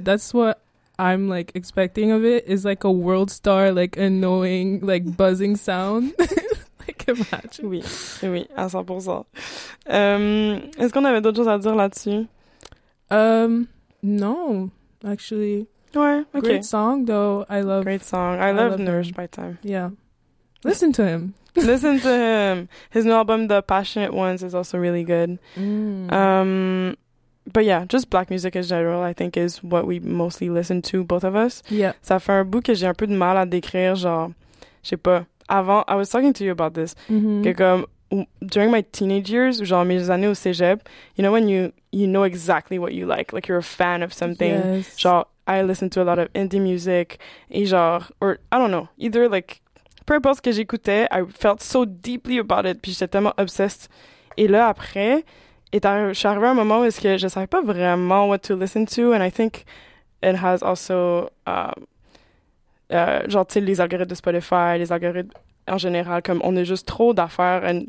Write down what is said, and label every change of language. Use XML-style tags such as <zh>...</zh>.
<en>That's what I'm like expecting of it is like a world star, like annoying, like buzzing sound. Like, imagine.</en> <fr>Oui, oui, à 100%. Est-ce qu'on avait d'autres choses à dire là-dessus?</fr> <en>No, actually.</en> <fr>Ouais, okay.</fr> <en>Great song, though. I love. Great song. I love Nourished by Time. Yeah. Listen to him. Listen to him. His new album, The Passionate Ones, is also really good. Mm. But yeah, just black music in general, I think, is what we mostly listen to, both of us. Yeah.</en> <fr>Ça fait un bout que j'ai un peu de mal à décrire, genre, sais pas, avant,</fr> <en>I was talking to you about this,</en> <fr>que comme,</fr> <en>during my teenage years,</en> <fr>genre mes années au cégep,</fr> <en>you know when you know exactly what you like you're a fan of something, yes.</en> <fr>Genre,</fr> <en>I listen to a lot of indie music,</en> <fr>et genre,</fr> <en>or, I don't know, either like,</en> <fr>peu importe ce que j'écoutais,</fr> <en>I felt so deeply about it,</en> <fr>puis j'étais tellement obsessed, et là après, je suis arrivée à un moment où est-ce que je savais pas vraiment</fr> <en>what to listen to, and I think it has also,</en> <fr>genre, tu sais, les algorithmes de Spotify, les algorithmes en général, comme on est juste trop d'affaires, and</fr>